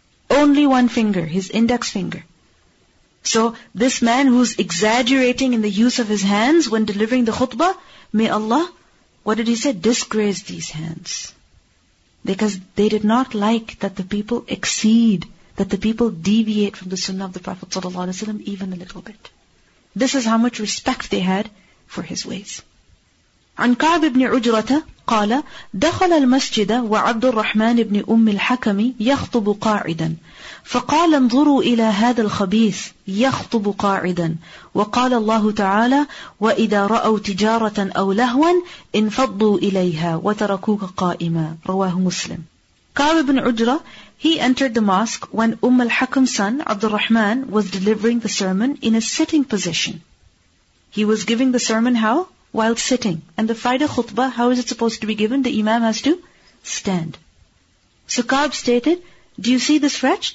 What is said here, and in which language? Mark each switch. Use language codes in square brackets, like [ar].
[en] Only one finger, his index finger. So this man who's exaggerating in the use of his hands when delivering the khutbah, may Allah, what did he say? Disgrace these hands. Because they did not like that the people exceed, that the people deviate from the sunnah of the Prophet ﷺ even a little bit. This is how much respect they had for his ways. [ar] عن كعب بن عجرة قال دخل المسجد وعبد الرحمن بن أم الحكم يخطب قاعدا فقال انظروا إلى هذا الخبيث يخطب قاعدا وقال الله تعالى وإذا رأوا تجارة أو لهوا انفضوا إليها وتركوك قائما رواه مسلم. [en] كعب بن عجرة, he entered the mosque when Umm al-Hakam's son عبد الرحمن was delivering the sermon in a sitting position. He was giving the sermon how? While sitting. And the Friday khutbah, how is it supposed to be given? The imam has to stand. So Ka'b stated, do you see this wretch?